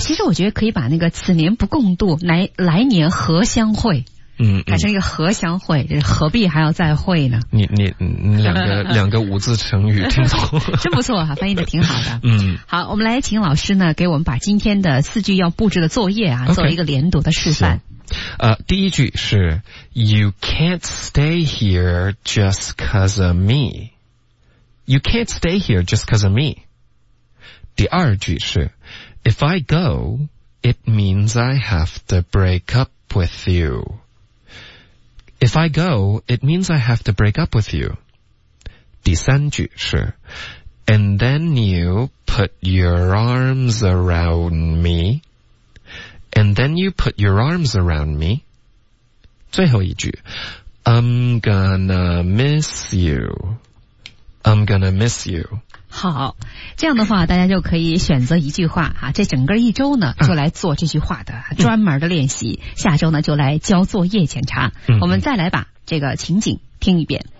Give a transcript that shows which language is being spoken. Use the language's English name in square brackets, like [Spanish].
[Chinese] 其实我觉得可以把那个此年不共度来年何相会，嗯，改成一个何相会，何必还要再会呢？你两个五字成语听懂，真不错哈、啊，翻译的挺好的。嗯，好，我们来请老师呢，给我们把今天的四句要布置的作业啊， [English] okay, [Chinese] 做一个连读的示范。第一句是 [English] You can't stay here just 'cause of me. You can't stay here just 'cause of me. [Chinese] 第二句是 [English] If I go, it means I have to break up with you. If I go, it means I have to break up with you. [Chinese] 第三句是 [English] And then you put your arms around me. And then you put your arms around me. [Chinese] 最后一句 [English] I'm gonna miss you. I'm gonna miss you. [Chinese] 好，这样的话大家就可以选择一句话啊，这整个一周呢就来做这句话的专门的练习，下周呢就来交作业检查。我们再来把这个情景听一遍。